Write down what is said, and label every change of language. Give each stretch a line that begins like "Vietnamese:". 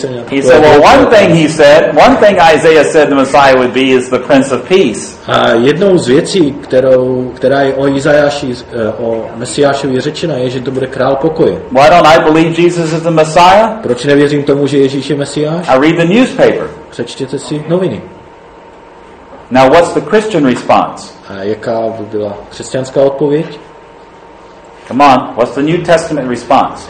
English: He said, well, one thing Isaiah said the Messiah would be is the Prince of Peace.
Czech: A jednou z věcí, která je o Izajáši, o Mesiášovi je řečena, je, že to bude král pokoje.
English: Why don't I believe Jesus is the Messiah?
Czech: Proč nevěřím tomu, že Ježíš je Mesiáš?
English: I read the newspaper.
Czech: Přečtěte si noviny.
English: Now, what's the Christian response?
Czech: A jaká by byla křesťanská odpověď?
English: Come on, what's the New Testament response?